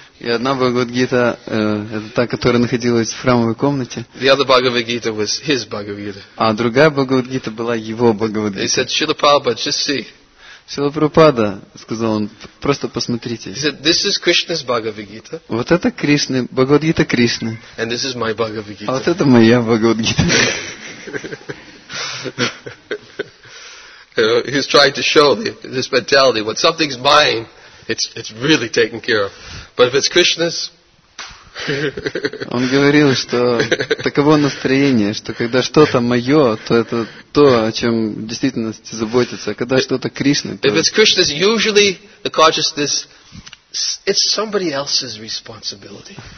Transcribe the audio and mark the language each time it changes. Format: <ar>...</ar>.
<ru>И одна Бхагавад Гита это та, которая находилась в храмовой комнате.</ru> <en>The other Bhagavad Gita was his Bhagavad Gita.</en> <ru>А другая Бхагавад Гита была его Бхагавад Гита.</ru> <en>He said, Srila Prabhupada, just see.</en> <ru>Шрила Прабхупада, сказал он, просто посмотрите.</ru> <en>He said, this is Krishna's Bhagavad Gita.</en> <ru>Вот это Кришна, Бхагавад Гита Кришны.</ru> <en>And this is my Bhagavad Gita.</en> <ru>А вот это моя Бхагавад Гита.</ru> <en>He's trying to show this mentality. When something's mine, it's really taken care of. But if it's Krishna's,</en> <ru>он говорил, что таково настроение, что когда что-то мое, то это то, о чем в действительности заботится, а когда что-то Кришна, то</ru> <en>if it's Krishna's, usually the consciousness, it's somebody else's responsibility.</en>